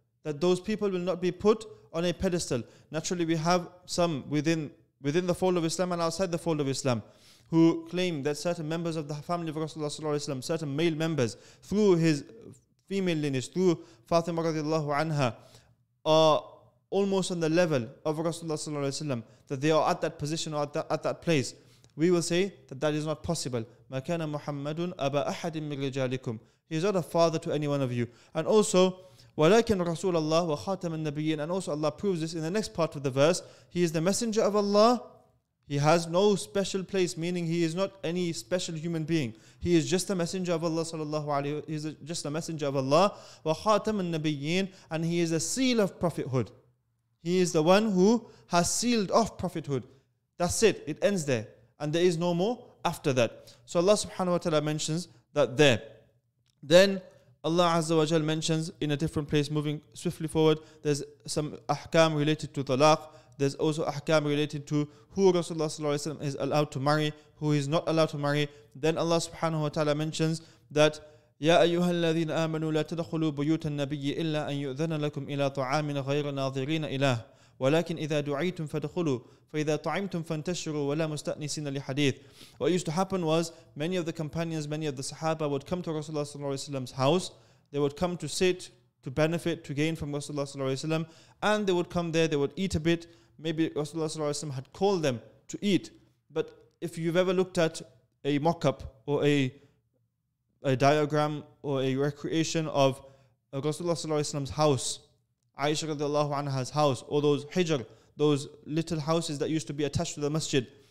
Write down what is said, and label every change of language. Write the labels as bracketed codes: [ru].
[en] That those people will not be put on a pedestal. Naturally, we have some within the fold of Islam and outside the fold of Islam who claim that certain members of the family of Rasulullah ﷺ, certain male members, through his female lineage, through Fatima radiallahu anha, are almost on the level of Rasulullah ﷺ, that they are at that position or at that place. We will say that is not possible. [ar] مَكَانَ مُحَمَّدٌ أَبَا أَحَدٍ مِنْ رِجَالِكُمْ. [en] He is not a father to any one of you. And also, [ar] وَلَكِنْ رَسُولَ اللَّهِ وَخَاتَمَ النَّبِيِّينَ. [en] And also Allah proves this in the next part of the verse. He is the messenger of Allah. He has no special place, meaning he is not any special human being. He is just a messenger of Allah sallallahu alayhi wa sallam. He is just a messenger of Allah. [ar] وَخَاتَمَ النَّبِيِّينَ. [en] And he is a seal of prophethood. He is the one who has sealed off prophethood. That's it. It ends there. And there is no more after that. So Allah subhanahu wa ta'ala mentions that there. Then Allah azza wa jal mentions in a different place, moving swiftly forward, there's some ahkam related to talaq. there's also ahkam relating to who Rasulullah sallallahu alayhi wa sallam is allowed to marry, who he's not allowed to marry. Then Allah subhanahu wa ta'ala mentions that يَا أَيُّهَا الَّذِينَ آمَنُوا لَا تَدَخُلُوا بُيُوتَ النَّبِيِّ إِلَّا أَن يُؤْذَنَ لَكُمْ إِلَى طَعَامٍ غَيْرَ نَاظِرِينَ إِلَهِ وَلَكِنْ إِذَا دُعِيتُمْ فَدَخُلُوا فَإِذَا طَعِمْتُمْ فَانْتَشِرُوا وَلَا مُسْتَأْنِسِينَ لِحَدِيثٍ. What used to happen was, many of the companions, many of the Sahaba would come to Rasulullah sallallahu alayhi wa sallam's house. They would come to sit, to benefit, to gain from Rasulullah sallallahu alayhi wa sallam. And they would come there, they would eat a bit. Maybe Rasulullah sallallahu alayhi wa sallam had called them to eat. But if you've ever looked at a mock-up or a diagram or a recreation of Rasulullah sallallahu alayhi wa sallam's house, Aisha radiallahu anha's house, or those hijr, those little houses that used to be attached to the masjid.